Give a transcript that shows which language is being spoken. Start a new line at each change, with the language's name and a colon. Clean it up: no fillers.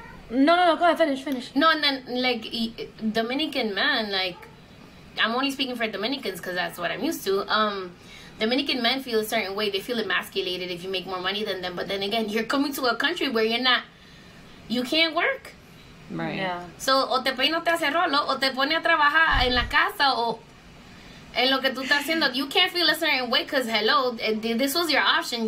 English: No, go ahead, finish. No, and then, like, Dominican men, like, I'm only speaking for Dominicans because that's what I'm used to. Dominican men feel a certain way. They feel emasculated if you make more money than them. But then again, you're coming to a country where you're not, you can't work. Right. Yeah.
Spanish: So, o te peino te hace rolo, o te pone a trabajar en la casa, o en lo que tú estás haciendo.
English: You can't feel a certain way because, hello, this was your option.